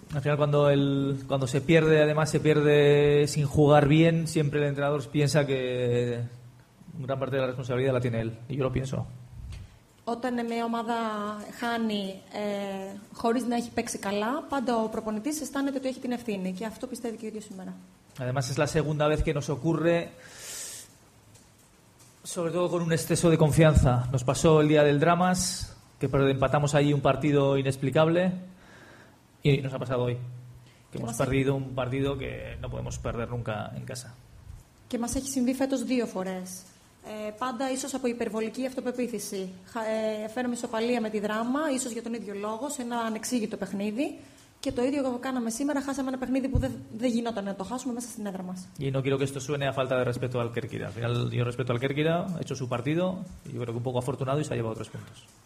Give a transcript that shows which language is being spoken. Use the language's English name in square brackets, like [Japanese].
[Spanish] Al final, cuando se pierde, además se pierde sin jugar bien, siempre el entrenador piensa que gran parte de la responsabilidad la tiene él. Y yo lo pienso. [Greek] Όταν μια ομάδα χάνει χωρίς να έχει παίξει καλά, πάντα ο προπονητής αισθάνεται ότι έχει την ευθύνη. Και αυτό πιστεύει και ο ίδιος σήμερα. [Spanish] Además es la segunda vez que nos ocurre Sobre todo con un exceso de confianza. Nos pasó el día del Dramas, que empatamos allí un partido inexplicable, y nos ha pasado hoy, que hemos perdido un partido que no podemos perder nunca en casa. [Greek] Και μας έχει συμβεί φέτος δύο φορές. Πάντα ίσως από υπερβολική αυτοπεποίθηση. Φέρουμε ισοπαλία με τη Δράμα, ίσως για τον ίδιο λόγο, σε ένα ανεξήγητο παιχνίδι. Και το ίδιο κάναμε σήμερα, χάσαμε ένα παιχνίδι που δεν γινόταν να το χάσουμε μέσα στην έδρα μας. [Spanish] Y no quiero que esto suene a falta de respeto al Kerkira. Al final, yo respeto al Kerkira, he hecho su partido, yo creo que un poco afortunado y se ha llevado tres puntos.